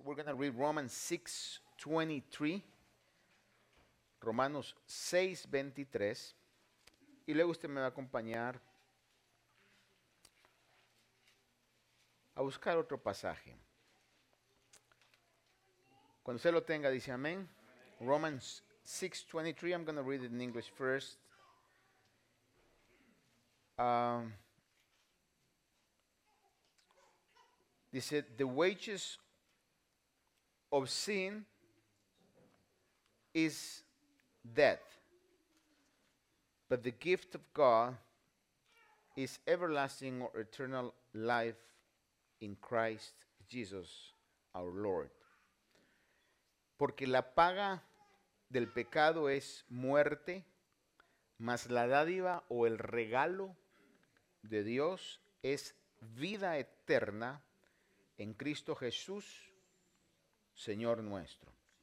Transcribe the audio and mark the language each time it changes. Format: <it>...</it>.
<en>We're going to read Romans 6:23. Romanos 6:23.</en> <es>Y luego usted me va a acompañar a buscar otro pasaje. Cuando usted lo tenga, dice amén.</es> <en>Romans 6:23, I'm going to read it in English first. Dice, the wages of sin is death, but the gift of God is everlasting or eternal life in Christ Jesus our Lord.</en> <es>Porque la paga del pecado es muerte, mas la dádiva o el regalo de Dios es vida eterna en Cristo Jesús, Señor nuestro.</es>